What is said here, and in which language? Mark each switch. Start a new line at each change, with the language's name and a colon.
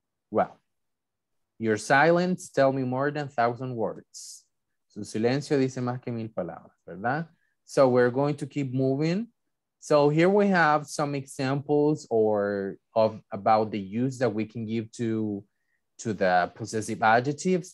English: Well, your silence tell me more than 1,000 words.
Spanish: Su silencio dice más que mil palabras, ¿verdad?
English: So we're going to keep moving. So here we have some examples about the use that we can give to the possessive adjectives.